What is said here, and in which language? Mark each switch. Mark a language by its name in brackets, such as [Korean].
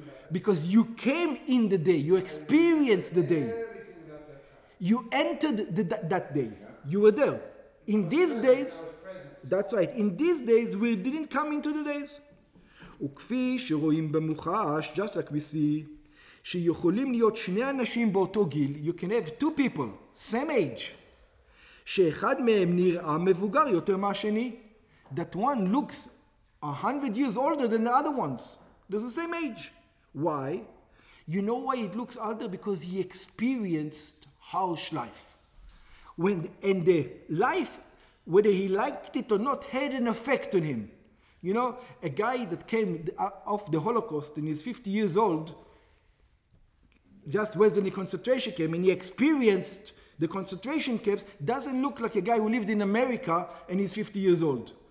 [English] Because you came in the day, you experienced the day. You entered that day. You were there. In these days, that's right. In these days, we didn't come into the days. [Hebrew] וכפי שרואים במוחש, [English] just like we see, [Hebrew] שיכולים להיות שני אנשים באותו גיל, [English] you can have 2 people, same age, [Hebrew] שאחד מהם נראה מבוגר יותר מהשני, [English] that one looks 100 years older than the other ones. They're the same age. Why? You know why it looks older? Because he experienced harsh life. And the life, whether he liked it or not, had an effect on him. You know, a guy that came off the Holocaust and is 50 years old, just was in a concentration camp and he experienced the concentration camps, doesn't look like a guy who lived in America and he's 50 years old.